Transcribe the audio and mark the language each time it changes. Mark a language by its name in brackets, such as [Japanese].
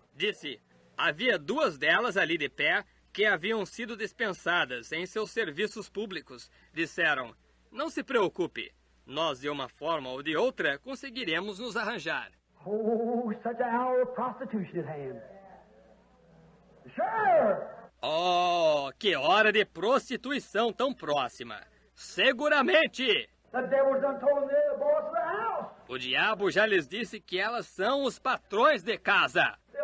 [Portuguese] Disse, havia duas delas ali de pé que haviam sido dispensadas em seus serviços públicos. Disseram, não se preocupe, nós de uma forma ou de outra conseguiremos nos arranjar. [English] Oh, such an hour of prostitution at hand. Sure! [Portuguese] Oh, que hora de prostituição tão próxima. Seguramente! [English] The devil's done told the boss of the house. [Portuguese] O diabo já lhes disse que elas são os patrões de casa.